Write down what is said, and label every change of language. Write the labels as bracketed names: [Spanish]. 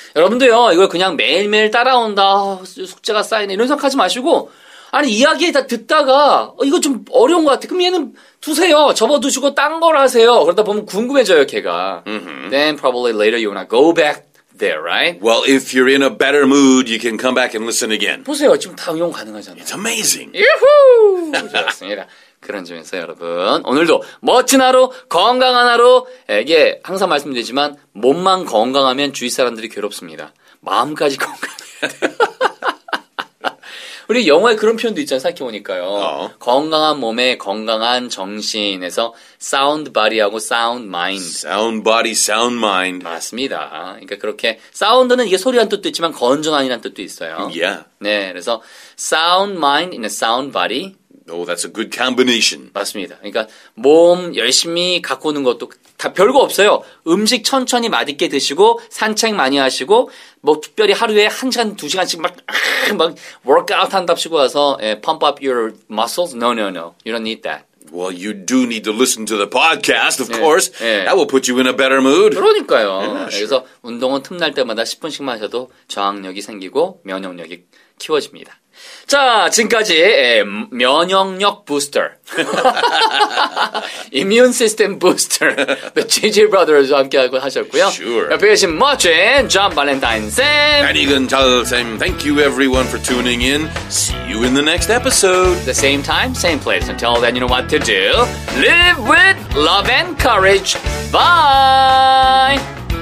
[Korean] 여러분도요, 이걸 그냥 매일매일 따라온다, 숙제가 쌓이네, 이런 생각하지 마시고, 아니, 이야기 다 듣다가, 이거 좀 어려운 것 같아. 그럼 얘는 두세요. 접어두시고 딴 걸 하세요. 그러다 보면 궁금해져요, 걔가. [English] Mm-hmm. Then probably later you wanna go back there, right? Well, if you're in a better mood, you can come back and listen again. [Korean] 보세요. 지금 다 응용 가능하잖아요. [English] It's amazing. [Korean] 유후! 좋았습니다. 그런 점에서 여러분, 오늘도 멋진 하루, 건강한 하루, 이게 항상 말씀드리지만, 몸만 건강하면 주위 사람들이 괴롭습니다. 마음까지 건강해야 돼요. 우리 영화에 그런 표현도 있잖아요. 생각해보니까요. 건강한 몸에 건강한 정신에서 [English] sound body [Korean] 하고 [English] sound mind. sound body, sound mind. [Korean] 맞습니다. 그러니까 그렇게 sound는 이게 소리란 뜻도 있지만 건전한이란 뜻도 있어요. [English] Yeah. [Korean] 네, 그래서 [English] sound mind in a sound body. Oh, that's a good combination. [Korean] 맞습니다. 그러니까 몸 열심히 갖고 오는 것도 다 별거 없어요. 음식 천천히 맛있게 드시고 산책 많이 하시고 뭐 특별히 하루에 한 시간, 두 시간씩 막 워크아웃 한답시고 와서 예, [English] pump up your muscles? No, no, no. You don't need that. Well, you do need to listen to the podcast, of course. [Korean] 예, 예. [English] That will put you in a better mood. [Korean] 그러니까요. [English] Yeah, sure. [Korean] 그래서 운동은 틈날 때마다 10분씩만 하셔도 저항력이 생기고 면역력이 키워집니다. 자, 지금까지 면역력 부스터 Immune System Booster The GG Brothers와 함께 하셨고요 [English] sure. [Korean] 옆에 계신 멋진 존 발렌타인 쌤 이건 잘쌤 [English] Thank you everyone for tuning in See you in the next episode The same time, same place Until then you know what to do Live with love and courage Bye